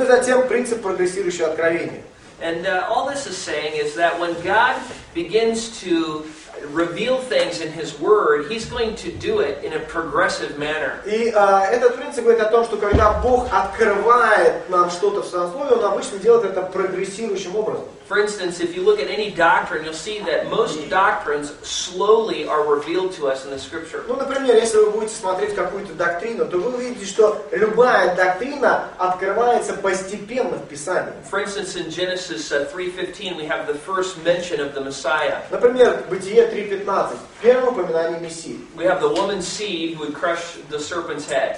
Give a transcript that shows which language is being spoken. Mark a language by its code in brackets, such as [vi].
[ru] Ну и затем принцип прогрессирующего откровения. [en] And all this is saying is that when God begins to reveal things in His Word, He's going to do it in a progressive manner. [ru] И этот принцип говорит о том, что когда Бог открывает нам что-то в Своем Слове, Он обычно делает это прогрессирующим образом. [en] For instance, if you look at any doctrine, you'll see that most doctrines slowly are revealed to us in the Scripture. [ru] Ну, например, если вы будете смотреть какую-то доктрину, то вы увидите, что любая доктрина открывается постепенно в Писании. [en] For instance, in Genesis 3:15, we have the first mention of the Messiah. [ru] Например, Бытие 3:15, первое упоминание Мессии. [en] We have the woman's seed who would crush the serpent's head.